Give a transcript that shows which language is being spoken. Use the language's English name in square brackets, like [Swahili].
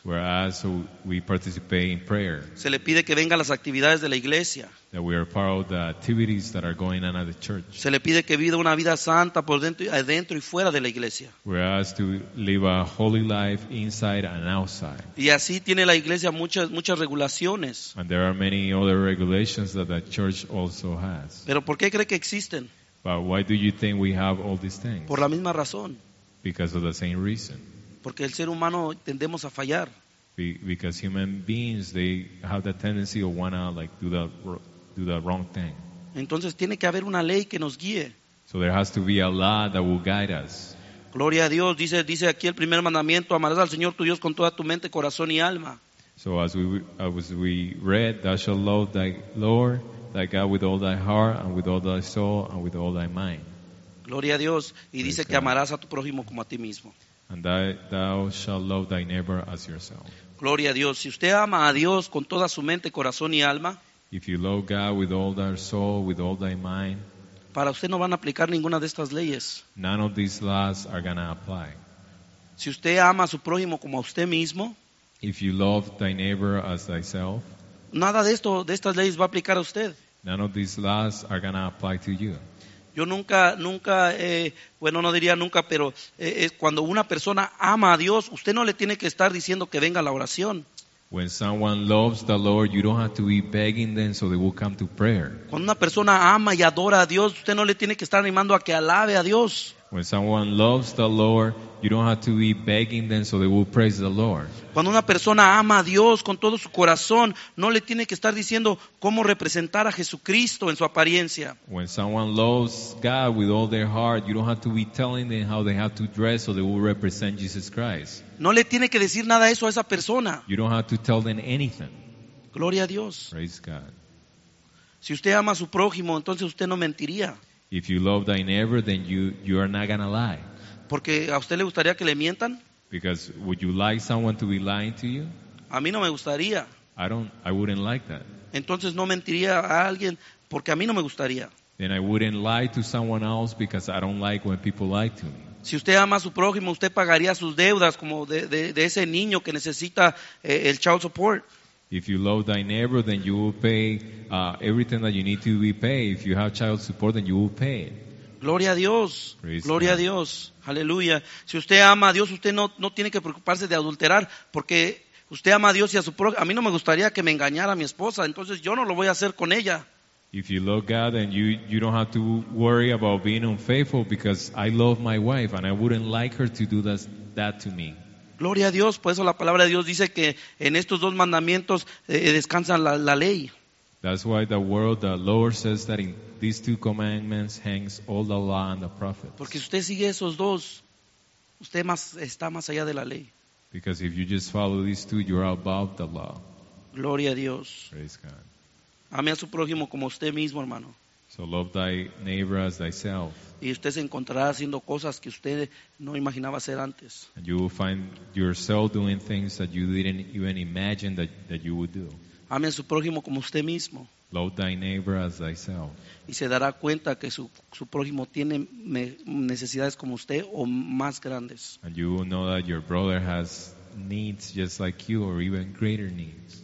[English] We are asked that we participate in prayer. [Spanish] Se le pide que venga a las actividades de la iglesia. [English] That we are part of the activities that are going on at the church. [Spanish] Se le pide que viva una vida santa por dentro, adentro y fuera de la iglesia. [English] We are asked to live a holy life inside and outside. [Spanish] Y así tiene la iglesia muchas regulaciones. [English] And there are many other regulations that the church also has. [Spanish] Pero ¿por qué cree que existen? [English] But why do you think we have all these things? [Spanish] Por la misma razón. [English] Because of the same reason. [Spanish] Porque el ser humano tendemos a fallar. [English] Because human beings, they have the tendency of wanna like do the wrong thing. [Spanish] Entonces tiene que haber una ley que nos guíe. [English] So there has to be a law that will guide us. [Spanish] Gloria a Dios, dice aquí el primer mandamiento, amarás al Señor tu Dios con toda tu mente, corazón y alma. [English] So as we read, thou shalt love thy Lord thy God with all thy heart and with all thy soul and with all thy mind. [Spanish] Gloria a Dios. Y [English] praise [Spanish] dice God. Que amarás a tu prójimo como a ti mismo. [English] And thou shalt love thy neighbor as yourself. [Spanish] Gloria a Dios. Si usted ama a Dios con toda su mente, corazón y alma, [English] if you love God with all thy soul, with all thy mind, [Spanish] para usted no van a aplicar ninguna de estas leyes. [English] None of these laws are going to apply. [Spanish] Si usted ama a su prójimo como a usted mismo, [English] if you love thy neighbor as thyself, [Spanish] nada de esto, de estas leyes va a aplicar a usted. [English] None of these laws are gonna apply to you. [Spanish] Yo nunca, bueno, no diría nunca, pero es cuando una persona ama a Dios, usted no le tiene que estar diciendo que venga a la oración. [English] When someone loves the Lord, you don't have to be begging them so they will come to prayer. [Spanish] Cuando una persona ama y adora a Dios, usted no le tiene que estar animando a que alabe a Dios. [English] When someone loves the Lord, you don't have to be begging them so they will praise the Lord. [Spanish] Cuando una persona ama a Dios con todo su corazón, no le tiene que estar diciendo cómo representar a Jesucristo en su apariencia. [English] When someone loves God with all their heart, you don't have to be telling them how they have to dress so they will represent Jesus Christ. [Spanish] No le tiene que decir nada eso a esa persona. [English] You don't have to tell them anything. [Spanish] Gloria a Dios. [English] Praise God. [Spanish] Si usted ama a su prójimo, entonces usted no mentiría. [English] If you love thy neighbor, then you are not gonna lie. [Spanish] Porque a usted le gustaría que le mientan? [English] Because would you like someone to be lying to you? [Spanish] A mí no me gustaría. [English] I wouldn't like that. [Spanish] Entonces no mentiría a alguien porque a mí no me gustaría. [English] Then I wouldn't lie to someone else because I don't like when people lie to me. [Spanish] Si usted ama a su prójimo, usted pagaría sus deudas como de ese niño que necesita el child support. [English] If you love thy neighbor, then you will pay everything that you need to be paid. If you have child support, then you will pay it. [Spanish] Gloria a Dios. [English] Praise [Spanish] Gloria [English] God. [Spanish] A Dios. Aleluya. Si usted ama a Dios, usted no tiene que preocuparse de adulterar, porque usted ama a Dios y a su prójimo. A mí no me gustaría que me engañara mi esposa, entonces yo no lo voy a hacer con ella. [English] If you love God, then you don't have to worry about being unfaithful, because I love my wife and I wouldn't like her to do that to me. [Spanish] Gloria a Dios, por eso la palabra de Dios dice que en estos dos mandamientos descansa la ley. [English] That's why the Lord says that in these two commandments hangs all the law and the prophets. [Spanish] Porque si usted sigue esos dos, usted está más allá de la ley. [English] Because if you just follow these two, you're above the law. [Spanish] Gloria a Dios. [English] Praise God. [Spanish] Ame a su prójimo como usted mismo, hermano. [English] So love thy neighbor as thyself. [Spanish] Y usted se encontrará haciendo cosas que usted no imaginaba hacer antes. [English] And you will find yourself doing things that you didn't even imagine that you would do. [Spanish] Ame a su prójimo como usted mismo. [English] Love thy neighbor as thyself. [Spanish] Y se dará cuenta que su prójimo tiene necesidades como usted o más grandes. [English] And you will know that your brother has needs just like you or even greater needs.